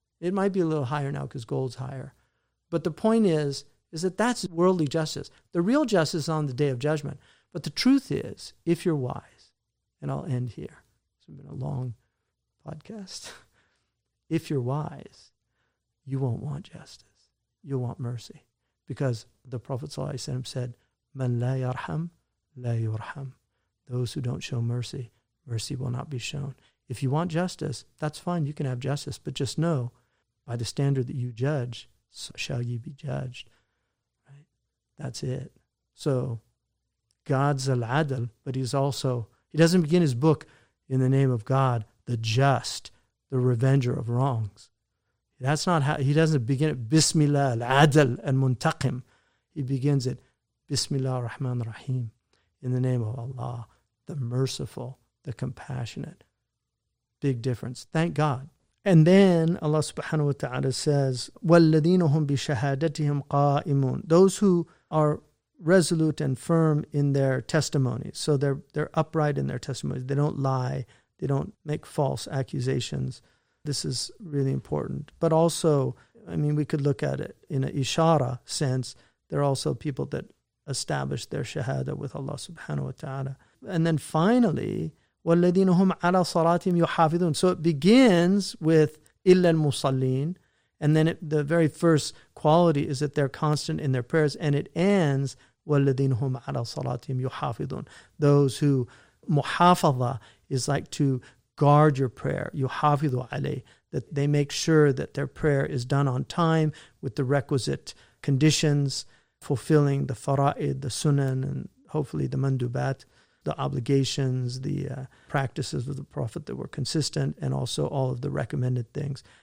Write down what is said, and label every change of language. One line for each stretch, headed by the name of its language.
English: It might be a little higher now because gold's higher. But the point is that that's worldly justice. The real justice is on the day of judgment. But the truth is, if you're wise, and I'll end here. It's been a long podcast. If you're wise, you won't want justice. You'll want mercy. Because the Prophet ﷺ said,
Arabic: مَنْ لَا يَرْحَمْ لَا يُرْحَمْ.
English: Those who don't show mercy, mercy will not be shown. If you want justice, that's fine. You can have justice. But just know, by the standard that you judge, so shall you be judged. Right? That's it. So God's al-adl, but he doesn't begin his book in the name of God, the just, the revenger of wrongs. That's not how, he doesn't begin it, Bismillah al-Adl al-Muntaqim. He begins it, Bismillah ar-Rahman ar-Rahim, in the name of Allah, the merciful, the compassionate. Big difference. Thank God. And then Allah subhanahu wa ta'ala says,
Arabic: وَالَّذِينَ هُمْ بِشَهَادَتِهِمْ قَائِمُونَ.
English: Those who are resolute and firm in their testimony. So they're upright in their testimony. They don't lie. They don't make false accusations. This is really important. But also, I mean, we could look at it in an ishara sense. There are also people that establish their shahada with Allah subhanahu wa ta'ala. And then finally,
Arabic: وَالَّذِينَ هُمْ عَلَى صَلَاتِهِمْ يُحَافِظُونَ.
English: So it begins with
Arabic: إِلَّا الْمُصَلِّينَ.
English: And then the very first quality is that they're constant in their prayers. And it ends,
Arabic: وَالَّذِينَ هُمْ عَلَى صَلَاتِهِمْ يُحَافِظُونَ.
English: Those who, muhafaza is like to guard your prayer,
Arabic: يُحَافِظُ عَلَيْهِ,
English: that they make sure that their prayer is done on time with the requisite conditions, fulfilling the fara'id, the sunan, and hopefully the mandubat, the obligations, the practices of the Prophet that were consistent, and also all of the recommended things.